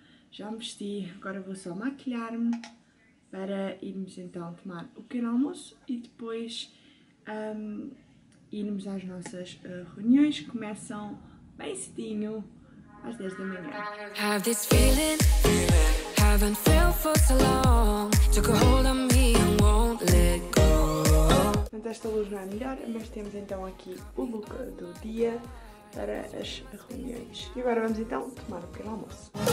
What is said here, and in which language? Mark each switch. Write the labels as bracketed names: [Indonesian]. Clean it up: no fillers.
[Portuguese] já me vesti, agora vou só maquilhar-me para irmos então tomar o pequeno almoço e depois irmos às nossas reuniões que começam bem cedinho às 10 da manhã. [English] Have this feeling, haven't felt for so long, took a hold on me and won't let go. [Portuguese] Portanto, esta luz não é melhor, mas temos então aqui o look do dia para as reuniões. E agora vamos então tomar o pequeno almoço.